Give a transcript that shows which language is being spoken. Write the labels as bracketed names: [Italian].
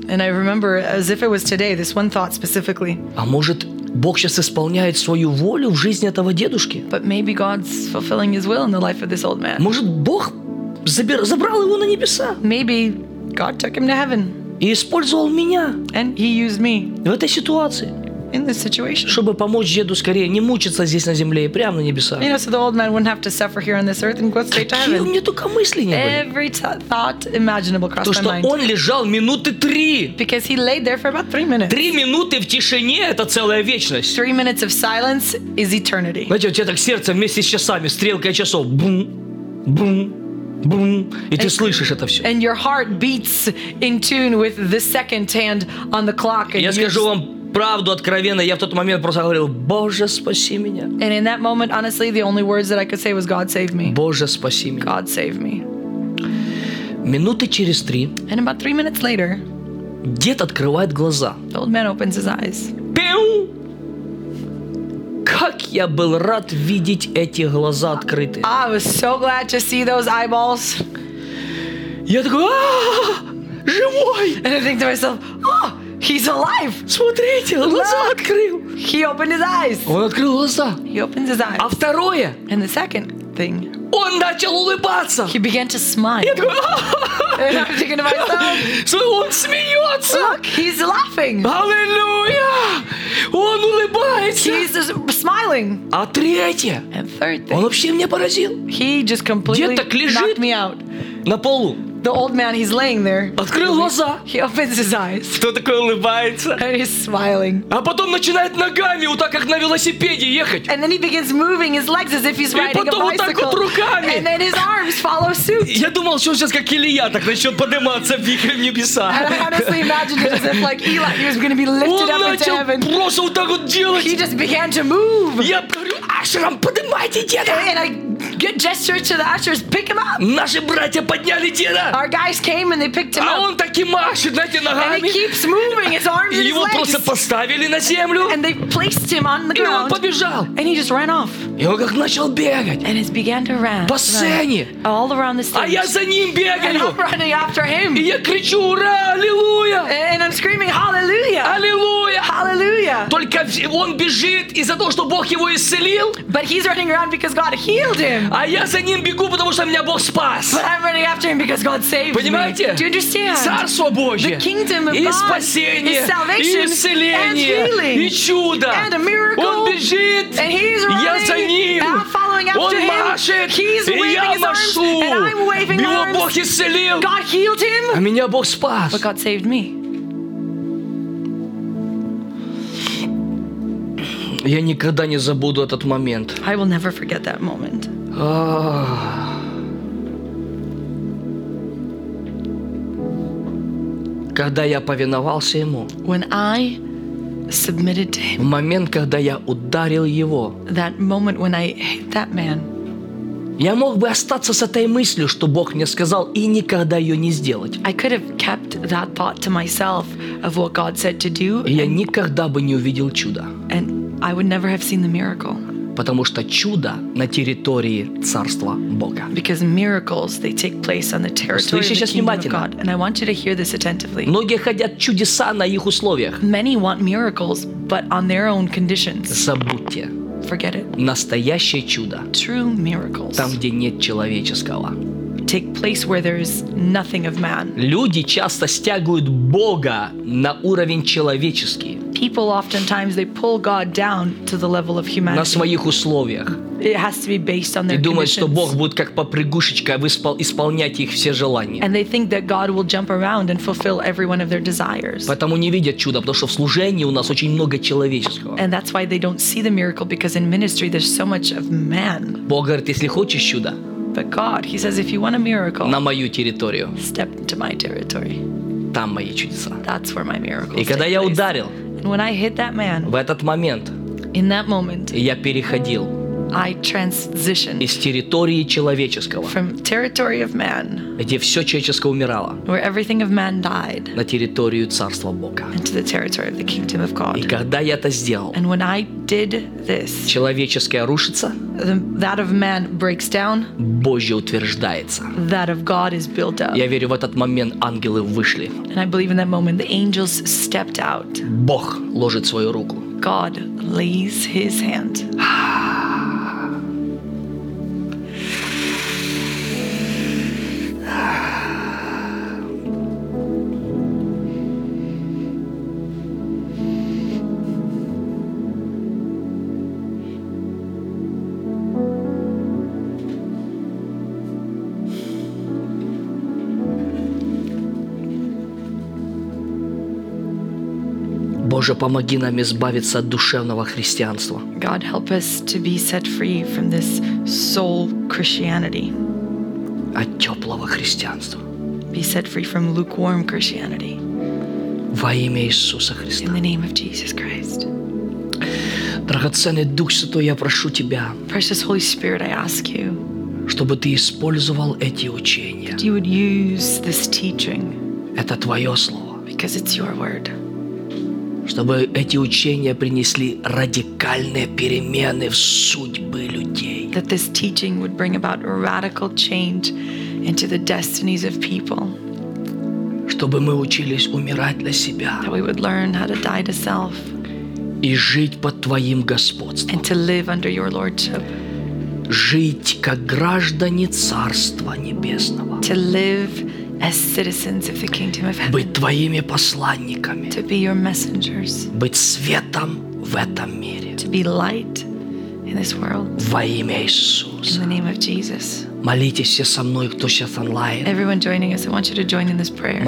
[English] And I remember, as if it was today, this one thought specifically. [Russian] А может, Бог сейчас исполняет свою волю в жизни этого дедушки? [English] But maybe God's fulfilling his will in the life of this old man. [Russian] Может, Бог забрал его на небеса? [English] Maybe God took him to heaven. [Russian] И использовал меня. [English] And he used me. [Russian] В этой ситуации. [English] In this situation. [Russian] Чтобы помочь деду скорее не мучиться здесь на земле и прямо на небесах. [English] You know, so the old man wouldn't have to suffer here on this earth and go straight to heaven. [Russian] Какие у меня только мысли не были. [English] Every thought imaginable crossed my mind. [Russian] То, что он лежал минуты три. [English] Because he laid there for about 3 minutes. [Russian] 3 минуты в тишине – это целая вечность. [English] 3 minutes of silence is eternity. [Russian] Знаете, у тебя так сердце вместе с часами, стрелка часов – бум, бум. Бум, и ты слышишь это все. [English] And your heart beats in tune with the second hand on the clock. [Russian] Я скажу вам правду откровенно, я в тот момент просто говорил: Боже, спаси меня. [English] And in that moment, honestly, the only words that I could say was God save me. [Russian] Боже, спаси меня. [English] God save me. [Russian] Минуты через три. [English] And about 3 minutes later. [Russian] Дед открывает глаза. [English] The old man opens his eyes. Пиу! [Russian] Как я был рад видеть эти глаза открыты. [English] I was so glad to see those eyeballs. [Russian] Я такой, живой. [English] And I think to myself, he's alive. [Russian] Смотрите, глаза открыл. [English] He opened his eyes. [Russian] Он открыл глаза. [English] He opened his eyes. [Russian] А второе. [English] And the second thing. [Russian] Он начал улыбаться. [English] He began to smile. [Russian] Я такой, [English] And I'm thinking to myself. [Russian] So он смеется. [English] Look, he's laughing. [Russian] Аллилуйя. Он улыбается. [English] He's just smiling. [Russian] А третье. [English] And third thing. [Russian] Он вообще меня поразил. [English] He just completely knocked me out. [Russian] На полу. [English] The old man, he's laying there. [Russian] Открыл глаза. [English] He opens his eyes. [Russian] Кто такой улыбается? [English] And he's smiling. [Russian] А потом начинает ногами, вот так как на велосипеде ехать. [English] And then he begins moving his legs as if he's riding a bicycle. [Russian] И потом вот так вот руками. [English] And then his arms follow suit. [Russian] Я думал, что он сейчас как Илья так начнет подниматься в небеса. [English] And I honestly imagined it as if like Eli, he was going to be lifted up into heaven. [Russian] Он начал просто вот так вот делать. [English] He just began to move. [Russian] Я говорю, Ашерам, поднимайте деда. [English] And I good gesture to the ushers, pick him up. [Russian] Наши братья подняли деда. [English] Our guys came and they picked him [Russian] а А он так и машет, знаете, ногами. [English] And he keeps moving his arms and his legs. [Russian] Его просто поставили на землю. [English] And they placed him on the ground. [Russian] И он побежал. [English] And he just ran off. [Russian] И он как начал бегать. [English] And he began to run. [Russian] По сцене. [English] All around the stage. [Russian] А я за ним бегаю. [English] And I'm running after him. [Russian] И я кричу, ура, аллилуйя. [English] And I'm screaming, hallelujah. [Russian] Аллилуйя. [English] Hallelujah. [Russian] Только он бежит из-за того, что Бог его исцелил. [English] But he's running around because God healed him. [Russian] А я за ним бегу, потому что меня Бог спас. [English] But I'm running after him because God saved [Russian] Понимаете? [English] Me. Do you understand? [Russian] Царство Божье. [English] The kingdom of God. [Russian] И спасение. [English] Is salvation. [Russian] И исцеление. [English] And healing. [Russian] И чудо. [English] And a miracle. [Russian] Он бежит. [English] And he's running. [Russian] Я за ним. [English] And I'm following after [Russian] Он [English] him. [Russian] Он машет. [English] He's waving [Russian] я [English] his [Russian] машу. [English] Arms. And I'm waving [Russian] Его [English] arms. [Russian] Бог исцелил. [English] God healed him. [Russian] А меня Бог спас. [English] But God saved me. [Russian] Я никогда не забуду этот момент. [English] I will never forget that moment. [Russian] Когда я повиновался ему. [English] When I submitted to him. [Russian] В момент, когда я ударил его. [English] That moment when I hit that man. [Russian] Я мог бы остаться с этой мыслью, что Бог мне сказал, и никогда ее не сделать. [English] I could have kept that thought to myself of what God said to do. [Russian] И я никогда бы не увидел чуда. [English] And I would never have seen the miracle. [Russian] Потому что чудо на территории царства Бога. [English] Because miracles, they take place on the territory of the kingdom of God. And I want you to hear this attentively. [Russian] Многие хотят чудеса на их условиях. [English] Many want miracles, but on their own conditions. [Russian] Забудьте. [English] forget it. [Russian] Настоящее чудо. [English] True miracles. [Russian] Там, где нет человеческого. [English] Take place where there is nothing of man. [Russian] Люди часто стягивают Бога на уровень человеческий. [English] People oftentimes they pull God down to the level of humanity. [Russian] На своих условиях. [English] It has to be based on their [Russian] conditions. И думают, что Бог будет как попрыгушечка исполнять их все желания. [English] And they think that God will jump around and fulfill every one of their desires. [Russian] Поэтому не видят чуда, потому что в служении у нас очень много человеческого. [English] And that's why they don't see the miracle because in ministry there's so much of man. [Russian] Бог говорит, если хочешь чуда. [English] But God, He says, if you want a miracle, [Russian] на мою территорию. [English] Step into my territory. [Russian] Там мои чудеса. [English] That's where my miracles. [Russian] И когда я ударил. [English] And when I hit that man. [Russian] В этот момент. [English] In that moment. [Russian] Я переходил. [English] I transitioned [Russian] из территории человеческого, [English] from territory of man, [Russian] где все человеческое умирало, [English] where everything of man died, [Russian] на территорию царства Бога, [English] into the territory of the kingdom of God. [Russian] И когда я это сделал, [English] and when I did this, [Russian] человеческое рушится, [English] that of man breaks down, [Russian] Божье утверждается, [English] that of God is built up. [Russian] Я верю, в этот момент ангелы вышли, [English] and I believe in that moment the angels stepped out. [Russian] Бог ложит свою руку. [English] God lays His hand. [Russian] Боже, помоги нам избавиться от душевного христианства. [English] God, help us to be set free from this soul Christianity. [Russian] От теплого христианства. [English] Be set free from lukewarm Christianity. [Russian] Во имя Иисуса Христа. [English] In the name of Jesus Christ. [Russian] Драгоценный Дух Святой, я прошу тебя. [English] Precious Holy Spirit, I ask you. [Russian] Чтобы ты использовал эти учения. [English] That you would use this teaching. [Russian] Это твое слово. [English] Because it's your word. [Russian] Чтобы эти учения принесли радикальные перемены в судьбы людей. [English] That this teaching would bring about radical change into the destinies of people. [Russian] Чтобы мы учились умирать для себя. [English] That we would learn how to die to self. [Russian] И жить под твоим господством. [English] And to live under your lordship. [Russian] Жить как граждане Царства Небесного. [English] To live as citizens of the kingdom of heaven. [Russian] Быть твоими посланниками. [English] To be your messengers. [Russian] Быть светом в этом мире. [English] To be light in this world. [Russian] Во имя Иисуса. [English] In the name of Jesus. [Russian] Молитесь все со мной, кто сейчас онлайн. [English] Everyone joining us, I want you to join in this prayer.